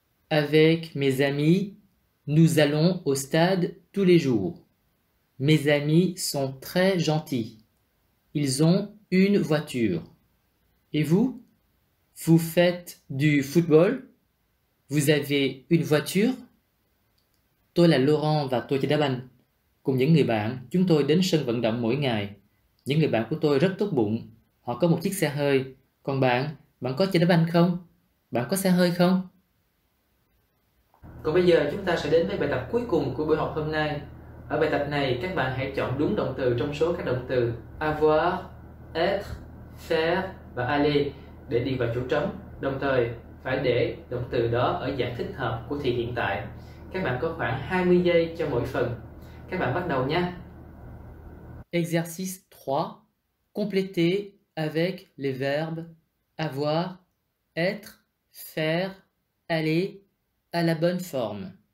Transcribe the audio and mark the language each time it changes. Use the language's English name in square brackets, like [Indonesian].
[French] Avec mes amis, nous allons au stade tous les jours. Mes amis sont très gentils. Ils ont une voiture. Et vous? Vous faites du football? Vous avez une voiture? [Vietnamese] Tôi là Laurent và tôi chơi đá banh. Cùng những người bạn, chúng tôi đến sân vận động mỗi ngày. Những người bạn của tôi rất tốt bụng. Họ có một chiếc xe hơi. Còn bạn, bạn có chơi đá banh không? Bạn có xe hơi không? Còn bây giờ chúng ta sẽ đến với bài tập cuối cùng của buổi học hôm nay. Ở bài tập này, các bạn hãy chọn đúng động từ trong số các động từ avoir, être, faire và aller để điền vào chỗ trống. Đồng thời, phải để động từ đó ở dạng thích hợp của thì hiện tại. Các bạn có khoảng 20 giây cho mỗi phần. Các bạn bắt đầu nhé. [French] Exercice 3. Compléter avec les verbes avoir, être, faire, aller à la bonne forme.